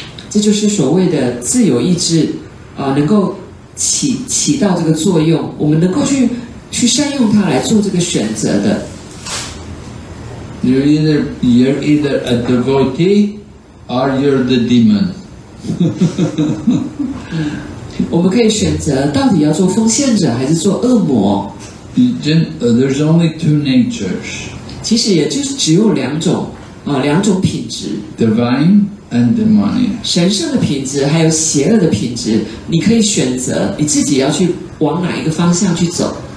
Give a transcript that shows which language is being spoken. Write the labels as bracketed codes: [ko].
[zh] 这就是所谓的自由意志、能够 起到这个作用，我们能够 去善用它来做这个选择的。 [en] You're either a devotee or you're the demon. [zh] 我们可以选择到底要做奉献者还是做恶魔。 [en] There's only two natures. [zh] 其实也就是只有两种、两种品质。 [en] Divine and demonic. [zh] 神圣的品质还有邪恶的品质，你可以选择你自己要去往哪一个方向去走。